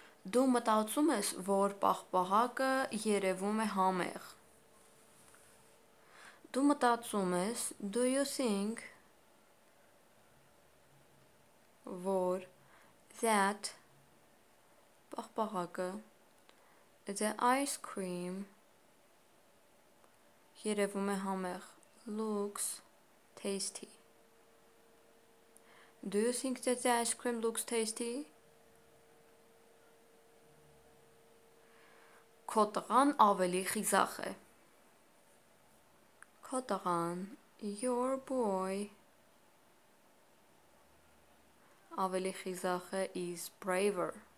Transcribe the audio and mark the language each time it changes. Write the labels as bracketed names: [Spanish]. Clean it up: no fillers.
[Armenian] Դու մտածում ես, որ պահպահակը երևում է համեղ։ Դու մտածում ես, [English] do you think, [Armenian] որ [English] that [Armenian] պահպահակը, [English] the ice cream, [Armenian] երևում է համեղ, [English] looks tasty. Do you think that the ice cream looks tasty? [Armenian] Քո տղան ավելի խիզախ է։ Քո տղան, [English] your boy, [Armenian] ավելի խիզախ է, [English] is braver.